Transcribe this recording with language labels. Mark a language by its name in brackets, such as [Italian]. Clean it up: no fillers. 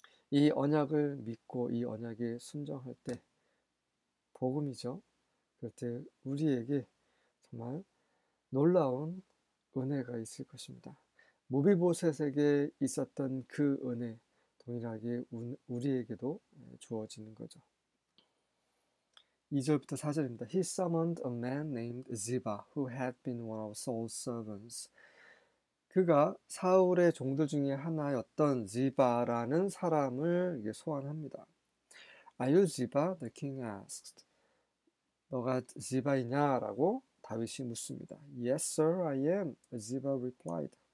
[Korean] 이 언약을 믿고 이 언약에 순종할 때 복음이죠. 그때 우리에게 정말 놀라운 은혜가 있을 것입니다. 무비보셋에게 있었던 그 은혜 동일하게 우리에게도 주어지는 거죠. 2절부터 4절입니다. [English] He summoned a man named Ziba who had been one of Saul's servants. [Korean] 그가 사울의 종들 중에 하나였던 지바라는 사람을 소환합니다. [English] Are you Ziba? The king asked. [Korean] 너가 지바이냐라고 다윗이 묻습니다. [English] Yes, sir, I am. Ziba replied.